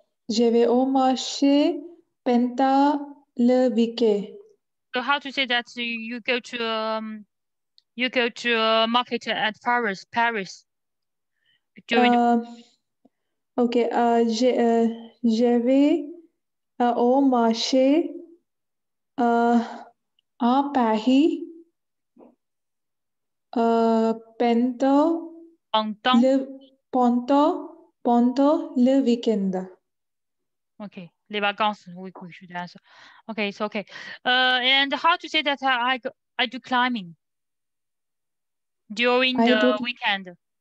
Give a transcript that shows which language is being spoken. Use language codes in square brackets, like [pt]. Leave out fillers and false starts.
[fr] Je vais au marché pendant le week-end. [en] So how to say that? So you go to a market at Paris. [fr] Je vais au marché à Paris pendant le week-end. [en] Okay, [fr] les vacances, [en] we should answer. Okay, it's okay. And how to say that I do climbing during weekend?